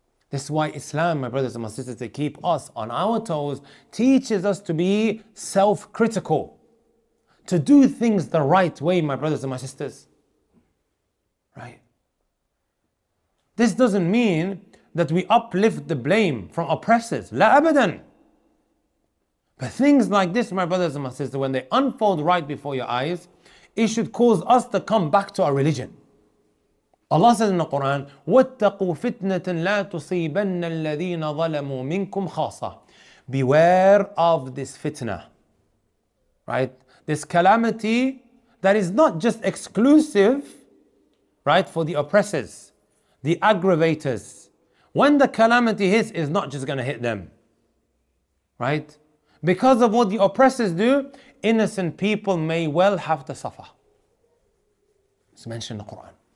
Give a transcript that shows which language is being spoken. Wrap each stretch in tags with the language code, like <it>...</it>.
<en>This is why Islam, my brothers and my sisters, to keep us on our toes, teaches us to be self-critical, to do things the right way, my brothers and my sisters. Right? This doesn't mean that we uplift the blame from oppressors.</en> <ar>La abadan.</ar> <en>But things like this, my brothers and my sisters, when they unfold right before your eyes, it should cause us to come back to our religion. Allah says in the Quran,</en> <ar>وَاتَّقُوا فِتْنَةً لَا تُصِيبَنَّ الَّذِينَ ظَلَمُوا مِنْكُمْ خَاصَةً.</ar> <en>Beware of this fitna. Right? This calamity that is not just exclusive, right, for the oppressors, the aggravators. When the calamity hits, it's not just going to hit them. Right? Because of what the oppressors do, innocent people may well have to suffer. It's mentioned in the Quran.</en>